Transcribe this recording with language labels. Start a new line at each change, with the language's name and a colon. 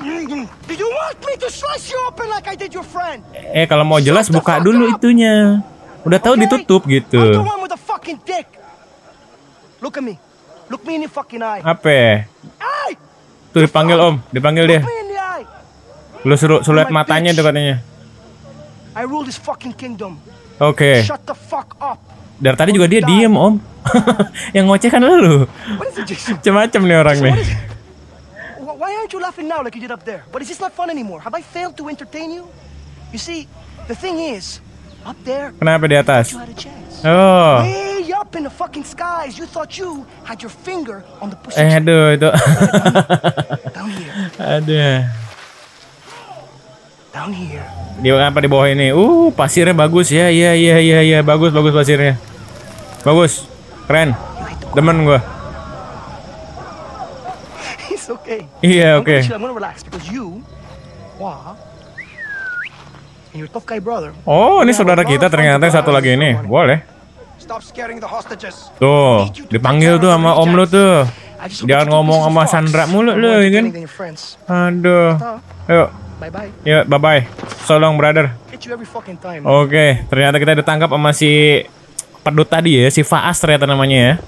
English: Do you want me to slice you open like I did your friend?
Indonesian: Eh, kalau mau jelas buka dulu itunya. Udah tahu ditutup gitu.
English: I'm the one with the fucking dick. Look at me. Look me in the fucking eye.
Indonesian: Apa? Hey! Tuh dipanggil Om, dipanggil dia. Lu suruh lihat matanya tuh katanya.
English: I rule this fucking kingdom.
Indonesian: Oke.
English: Shut the fuck up.
Indonesian: Dari tadi juga dia diem Om. Yang ngoceh kan lu. Macam-macam nih orang nih.
English: Why aren't you laughing now like you did up there? But is this not fun anymore? Have I failed to entertain you? You see, the thing is, up there.
Indonesian: Kenapa di atas? Oh.
English: Way up in the fucking skies, you thought you had your finger on the pussy.
Indonesian: Aduh, itu.
English: Down here.
Indonesian: Aduh.
English: Down here.
Indonesian: Di apa di bawah ini? Pasirnya bagus ya. Iya, bagus pasirnya. Bagus. Keren. Demen gua.
English: Okay. Yeah, okay. I'm gonna relax because you, Hua, and your tough guy brother.
Indonesian: Oh, ini saudara kita ternyata satu lagi ini. Boleh.
English: Stop scaring the hostages.
Indonesian: Tuh, dipanggil tuh sama om lu tuh. Jangan ngomong sama Sandra mulu lu, kan? Aduh. Yuk.
English: Bye-bye.
Indonesian: Yuk, bye-bye.
English: So long, brother.
Indonesian: Okay, ternyata kita ditangkap sama si pedut tadi ya, si Faas ternyata namanya ya.